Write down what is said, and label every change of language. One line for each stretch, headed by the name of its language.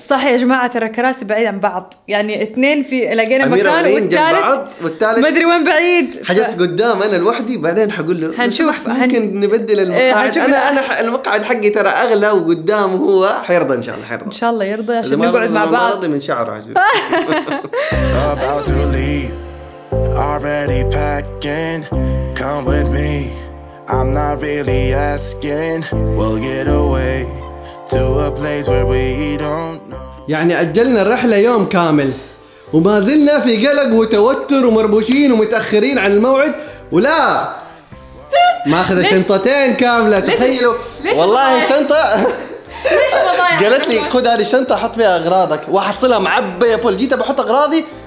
Arabic: صح يا جماعه ترى كراسي بعيد عن بعض يعني اثنين في لقينا أميرة مكان والثالث ما ادري وين بعيد حجز قدام انا لوحدي بعدين حقول له هنشوف ممكن نبدل المقعد انا المقعد حقي ترى اغلى وقدام هو حيرضى ان شاء الله ان شاء الله يرضى عشان نقعد مع بعض من شعره
English: about to leave already packing come with me I'm not really asking we'll get away to a place where we don't know.
Arabic: يعني أجلنا الرحلة يوم كامل وما زلنا في قلق وتوتر ومربوشين ومتأخرين عن الموعد ولا ماخذ شنطتين كاملة تخيلوا والله شنطة قالت لي خذ هذه الشنطه حط فيها اغراضك وحصلها معبيه فل جيت بحط اغراضي